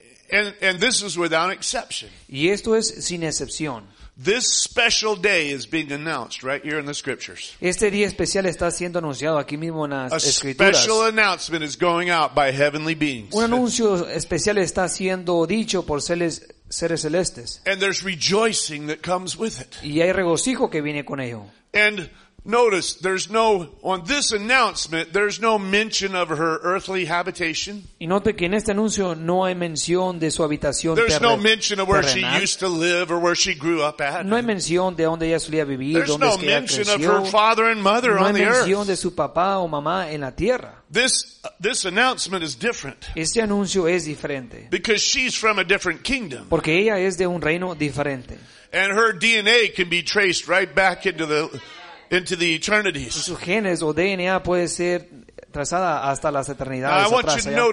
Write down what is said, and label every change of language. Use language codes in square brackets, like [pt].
[en] And this is without exception. [es] Y esto es sin excepción. [en] This special day is being announced right here in the scriptures. [es] Este día especial está siendo anunciado aquí mismo en las escrituras. [en] A special announcement is going out by heavenly beings. [es] Un anuncio especial está siendo dicho por seres celestes. [en] And there's rejoicing that comes with it. [es] Y hay regocijo que viene con ello. [en] And notice, there's no on this announcement, there's no mention of her earthly habitation. [es] Y note que en este anuncio no hay mención de su habitación terrenal. [en] There's no mention of where she used to live or where she grew up at. [es] No hay mención de dónde ella solía vivir, dónde es que creció. [en] There's no mention of her father and mother on the earth. [es] No hay mención de su papá o mamá en la tierra. [en] This announcement is different. [es] Este anuncio es diferente. [en] Because she's from a different kingdom. [es] Porque ella es de un reino diferente. [en] And her DNA can be traced right back into the eternities. [es] Sus genes o DNA puede ser trazada hasta las eternidades atrás.